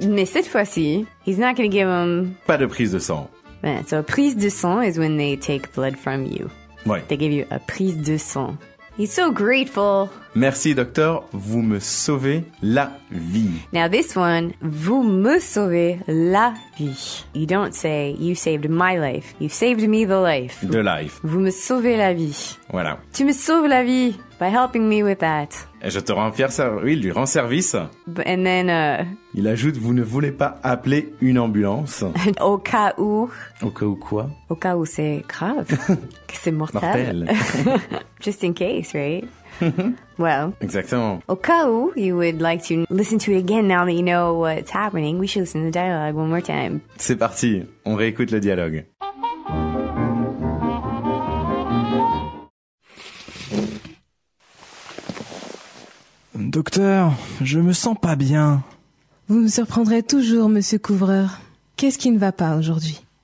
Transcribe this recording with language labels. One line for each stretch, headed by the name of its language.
French: Mais cette fois-ci,
English: he's not going to give him...
French: Pas de prise de sang.
English: Yeah, so a prise de sang is when they take blood from you.
French: Ouais.
English: They give you a prise de sang. He's so grateful.
French: Merci, docteur. Vous me sauvez la vie.
English: Now this one,
French: vous me sauvez la vie.
English: You don't say, you saved my life. You saved me the life. The life.
French: Vous me sauvez la vie. Voilà. Tu me sauves la vie
English: by helping me with that.
French: Et je te rends fier, oui, il lui rend service.
English: And then...
French: Il ajoute, vous ne voulez pas appeler une ambulance. Au cas où... Au cas où quoi? Au cas où c'est grave. Que c'est mortel. Mortel.
English: Just in case, right? Well.
French: Exactement. Au cas où
English: you would like to listen to it again now that you know what's happening, we should listen to the dialogue one more time.
French: C'est parti, on réécoute le dialogue. Docteur, je me sens pas bien. Vous me surprendrez toujours, monsieur Couvreur. Qu'est-ce qui ne va pas aujourd'hui?